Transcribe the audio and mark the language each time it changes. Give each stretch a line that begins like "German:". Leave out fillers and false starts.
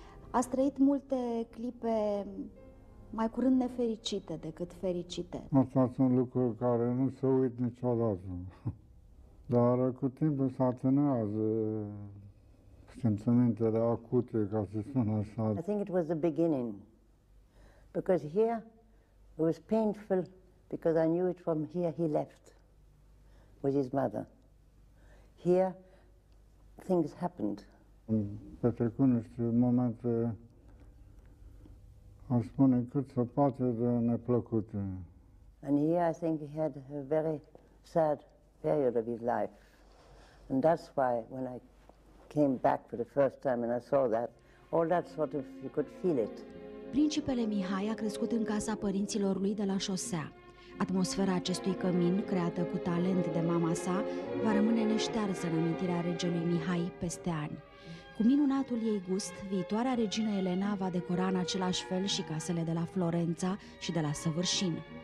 Romanian: A trăit multe clipe mai curând nefericite decât fericite. Asta sunt lucruri care nu se uit niciodată. Dar cu timpul se atenuează simțimentele acute, ca să spun așa.
English: I think it was the beginning. Because here it was painful because I knew it from here he left with his mother. Here things happened.
Romanian: Petrecu niște momente, aș spune, cât se poate de neplăcute.
English: And here I think he had a very sad period of his life. And that's why when I came back for the first time and I saw that, all that sort of, you could feel it.
Romanian: Principele Mihai a crescut în casa părinților lui de la șosea. Atmosfera acestui cămin, creată cu talent de mama sa, va rămâne neștearsă în amintirea regelui Mihai peste ani. Cu minunatul ei gust, viitoarea regină Elena va decora în același fel și casele de la Florența și de la Săvârșin.